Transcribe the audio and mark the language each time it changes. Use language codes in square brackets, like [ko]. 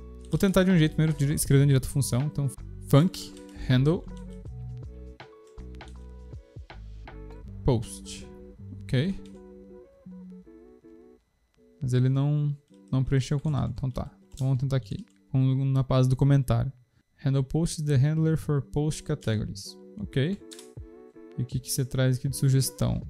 [pt] Vou tentar de um jeito primeiro, escrevendo direto a função. Então, func handle post. Ok. Mas ele não preencheu com nada. Então tá. Então, vamos tentar aqui. Na base do comentário. [en] Handle post is the handler for post categories. Ok. [pt] E o que você traz aqui de sugestão?